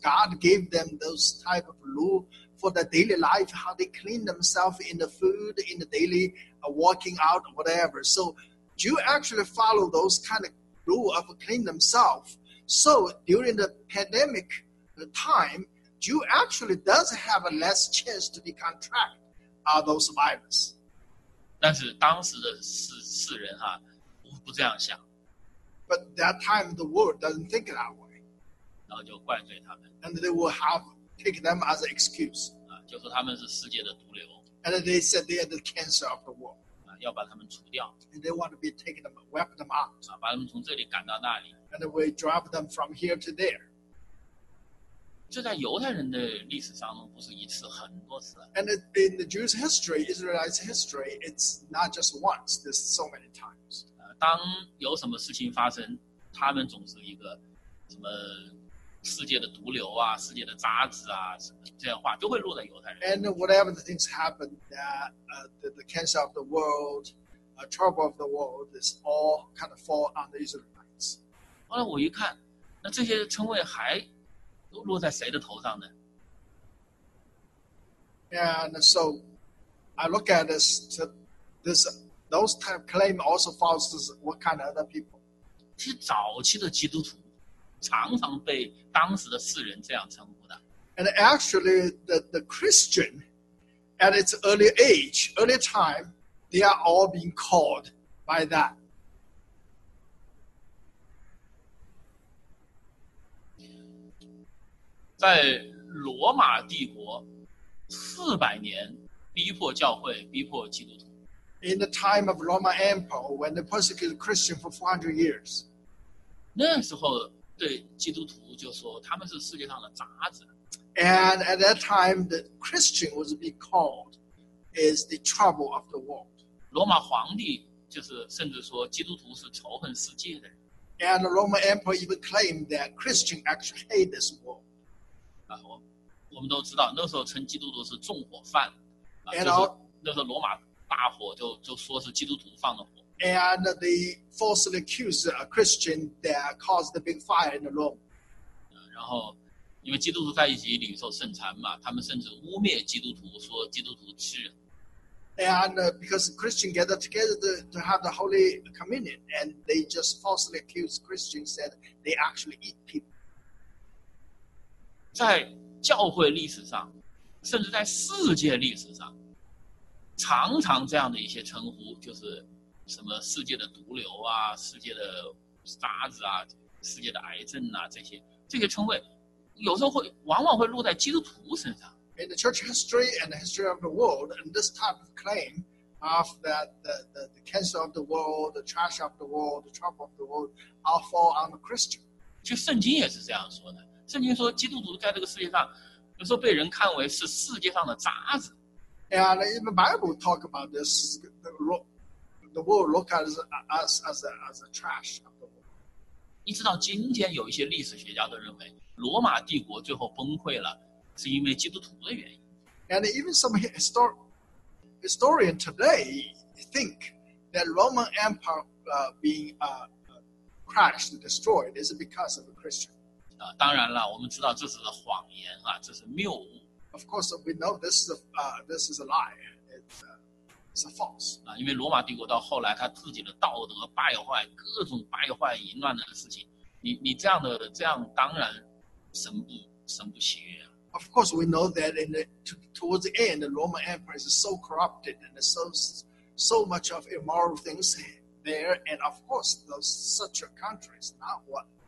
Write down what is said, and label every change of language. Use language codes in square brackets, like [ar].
[en] God gave them those type of rule for the daily life, how they clean themselves in the food, in the daily walking out, whatever. So Jew actually follow those kind of rule of clean themselves. So during the pandemic time, Jew actually does have a less chance to be contract those virus. [zh] 但是当时的世人哈，不这样想。 [en] But that time the world doesn't think that way. [zh] 然后就怪罪他们。 [en] And they will have take them as an excuse. [zh] 就说他们是世界的毒瘤。 [en] And they said they are the cancer of the world. [zh] 要把他们除掉。 [en] And they want to be take them, wipe them out. [zh] 把他们从这里赶到那里。 [en] And we drop them from here to there. [zh] 这在犹太人的历史当中不是一次，很多次。 [en] And in the Jewish history, Israelite history, it's not just once. There's so many times. [zh] 当有什么事情发生，他们总是一个什么世界的毒瘤啊，世界的杂质啊，什么这样话都会落在犹太人。 [en] And whatever the things happen, that the cancer of the world, trouble of the world, is all kind of fall on the Israelites. [zh] 后来我一看，那这些称谓还。都落在谁的头上呢？ [en] And so I look at this, those type claim also falls to what kind of other people? [zh] 其实早期的基督徒常常被当时的世人这样称呼的。 [en] And actually, the Christian at its early age, early time, they are all being called by that. [zh] 在罗马帝国400年逼迫教会逼迫基督徒。 [en] In the time of Roman Empire, when they persecuted Christians for 400 years. [zh] 那时候对基督徒就说他们是世界上的杂质。 [en] And at that time, the Christian was being called is the trouble of the world. [zh] 罗马皇帝就是甚至说基督徒是仇恨世界的人。 [en] And the Roman Empire even claimed that Christians actually hate this world. [zh] 我们都知道那时候称基督徒是纵火犯、就是、那时候罗马大火 就说是基督徒放的火。 [en] And they falsely accused a Christian that caused the big fire in the Rome. [zh] 然后因为基督徒在一起领受圣餐嘛，他们甚至污蔑基督徒，说基督徒吃人。 [en] And because Christians gather together to have the Holy Communion, and they just falsely accused Christians, said they actually eat people. [zh] 在教会历史上，甚至在世界历史上，常常这样的一些称呼，就是什么世界的毒瘤啊，世界的杂质啊，世界的癌症啊，这些称谓，有时候会往往会落在基督徒身上。 [en] In the church history and the history of the world, and this type of claim of that the cancer of the world, the trash of the world, the trouble of the world, all fall on the Christian. [zh] 就圣经也是这样说的。圣经说基督徒在这个世界上有时候被人看为是世界上的杂子。 [en] And the Bible talk about this, the world look at us as a trash of the world. [zh] 一直到今天有一些历史学家都认为罗马帝国最后崩溃了是因为基督徒的原因。 [en] And even some historian today think that Roman Empire being crashed, destroyed is because of the Christians. [zh] 当然了，我们知道这是个谎言啊，这是谬误。 [en] Of course, we know this is a lie. It's a false. [zh] 因为罗马帝国到后来，他自己的道德败坏，各种败坏淫乱的事情，你这样，当然神不喜悦、啊。 [en] Of course, we know that in towards the end, the Roman Empire is so corrupted and so much of immoral things there, and of course, those such a country is not what.